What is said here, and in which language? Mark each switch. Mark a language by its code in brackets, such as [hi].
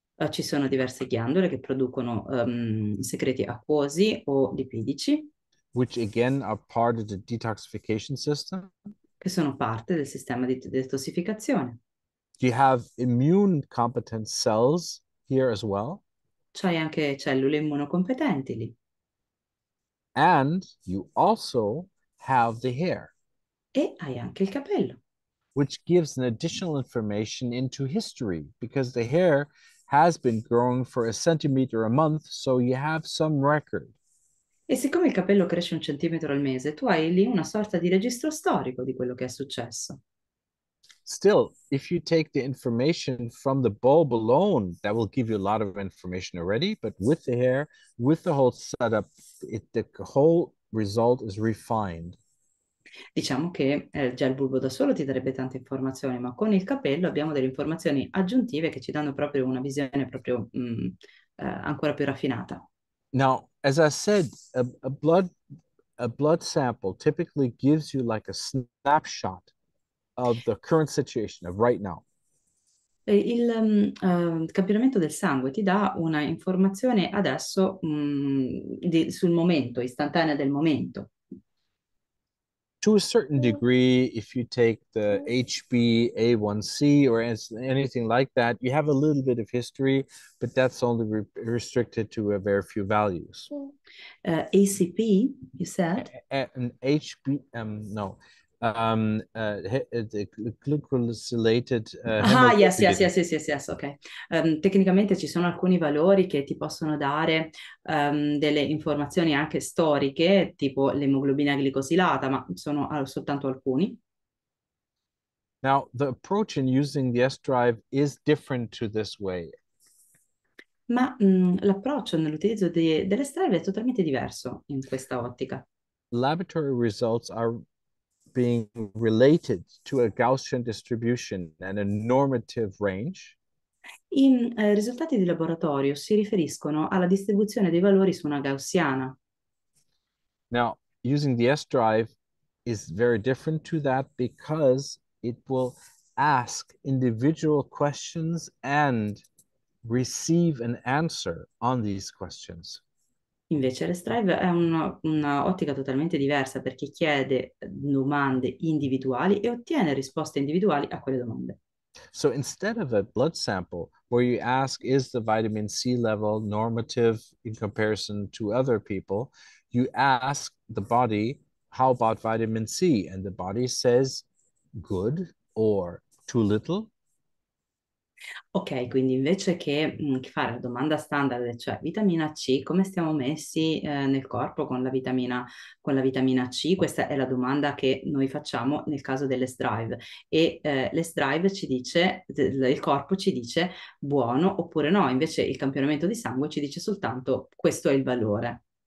[it] Ci sono diverse ghiandole che producono secreti acquosi o lipidici. [en] Which again are part of the detoxification system. [it] Che sono parte del sistema di detossificazione. [en] You have immune competent cells here as well. [it] C'hai anche cellule immunocompetenti lì. [en] And you also have the hair. [it] E hai anche il capello. [en] Which gives an additional information into history, because the hair has been growing for a centimeter a month, so you have some record. E siccome il capello cresce un centimetro al mese, tu hai lì una sorta di registro storico di quello che è successo. Still, if you take the information from the bulb alone, that will give you a lot of information already, but with the hair, with the whole setup, the whole result is refined. [it] Diciamo che già il bulbo da solo ti darebbe tante informazioni, ma con il capello abbiamo delle informazioni aggiuntive che ci danno proprio una visione proprio, ancora più raffinata. [en] Now, as I said, a blood sample typically gives you like a snapshot of the current situation of right now. [it] Il campionamento del sangue ti dà una informazione adesso, sul momento, istantanea del momento. [en] To a certain degree, if you take the HbA1c or anything like that, you have a little bit of history, but that's only re restricted to a very few values. ACP, you said? An HB, no, the glycosylated Ah, hemoglobin. yes, ok. [it] Tecnicamente ci sono alcuni valori che ti possono dare delle informazioni anche storiche, tipo l'emoglobina glicosilata, ma sono soltanto alcuni. [en] Now, the approach in using the S-drive is different to this way. [it] Ma l'approccio nell'utilizzo delle strade è totalmente diverso in questa ottica. [en] Laboratory results are being related to a Gaussian distribution and a normative range. [it] I risultati di laboratorio si riferiscono alla distribuzione dei valori su una gaussiana. [en] Now, using the S-drive is very different to that because it will ask individual questions and receive an answer on these questions. [it] Invece, Sdrive è un'ottica totalmente diversa perché chiede domande individuali e ottiene risposte individuali a quelle domande. [en] So instead of a blood sample where you ask, is the vitamin C level normative in comparison to other people? You ask the body, how about vitamin C? And the body says, good or too little? [it] Ok, quindi invece che fare la domanda standard, cioè vitamina C, come stiamo messi nel corpo con la vitamina C? Questa è la domanda che noi facciamo nel caso dell'S-Drive. E l'S-Drive ci dice, il corpo ci dice buono oppure no, invece il campionamento di sangue ci dice soltanto questo è il valore.